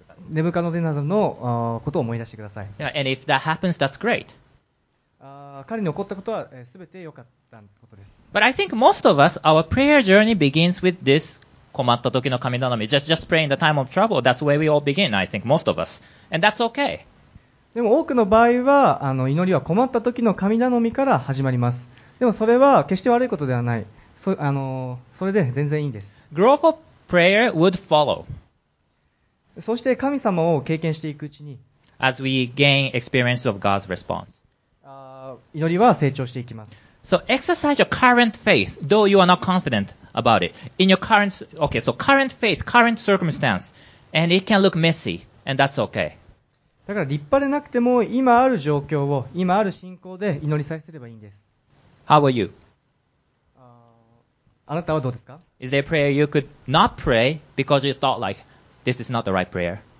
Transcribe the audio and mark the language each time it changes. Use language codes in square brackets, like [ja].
[ja] ネブカノデナザルのことを思い出してください。 [en] Yeah, and if that happens, that's great. [ja] 彼に起こったことは全て良かったことです。 [en] But I think most of us, our prayer journey begins with this [ja] 困った時の神頼み。 [en] Just pray in the time of trouble. That's where we all begin, I think, most of us. And that's okay. [ja] でも多くの場合は祈りは困った時の神頼みから始まります。でもそれは決して悪いことではない。それで全然いいんです。 [en] Growth of prayer would follow. [ja] そして神様を経験していくうちに [en] As we gain experience of God's response. [ja] 祈りは成長していきます。 [en] So exercise your current faith, though you are not confident about it. In your current, okay, so current faith, current circumstance, and it can look messy, and that's okay. [ja] だから立派でなくても今ある状況を今ある信仰で祈りさえすればいいんです。 [en] How are you? [ja] あなたはどうですか? [en] Is there a prayer you could not pray because you thought like this is not the right prayer?